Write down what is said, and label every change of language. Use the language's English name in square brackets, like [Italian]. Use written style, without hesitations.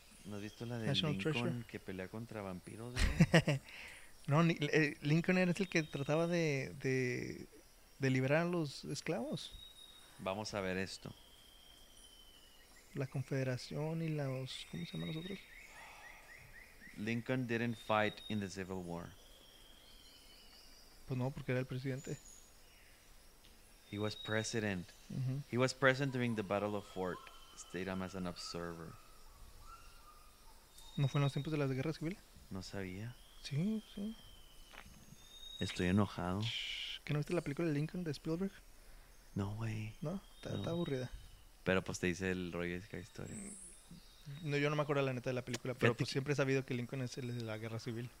[Spanish] ¿No has visto la de National Lincoln Treasure? Que pelea contra vampiros, güey. No, Lincoln era el que trataba de liberar a los esclavos. Vamos a ver esto. La Confederación y los... ¿Cómo se llaman los otros? [English] Lincoln didn't fight in the Civil War. [Spanish] Pues no, porque era el presidente. [English] He was president. He was present during the Battle of Fort. Stayed on as an observer. [Spanish] ¿No fue en los tiempos de la Guerra Civil? No sabía. Sí, sí. Estoy enojado. ¿Que no viste la película de Lincoln de Spielberg? No, güey. ¿No? Está aburrida. Pero pues te dice el rollo de esa historia. No, yo no me acuerdo la neta de la película, pero pues siempre he sabido que Lincoln es el de la guerra civil.